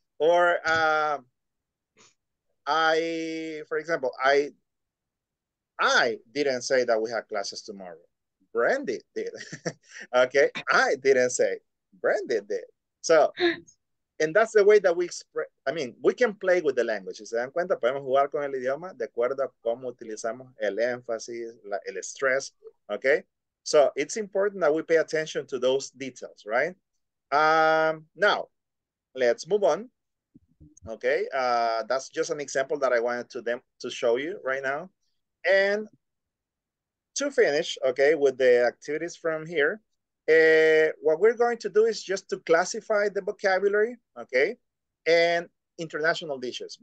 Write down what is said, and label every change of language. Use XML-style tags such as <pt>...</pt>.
<en>Or I didn't say that we had classes tomorrow. Brandy did. Okay. I didn't say. Brandy did. So And that's the way that we express, I mean, we can play with the language.</en> <es>¿Se dan cuenta? Podemos jugar con el idioma de acuerdo a cómo utilizamos el énfasis, la, el stress, okay?</es> <en>So it's important that we pay attention to those details, right? Now, let's move on, okay? That's just an example that I wanted to show you right now. And to finish, okay, with the activities from here, what we're going to do is just to classify the vocabulary, okay, and international dishes.</en>